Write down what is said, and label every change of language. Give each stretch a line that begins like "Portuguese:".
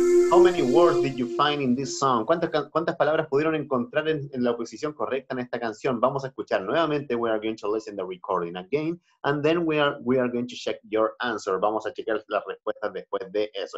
English: How many words did you find in this song?
Spanish: ¿Cuántas palabras pudieron encontrar en la posición correcta en esta canción? Vamos a escuchar nuevamente.
English: We are going to listen the recording again, and then we are going to check your answer.
Spanish: Vamos a chequear las respuestas después de eso.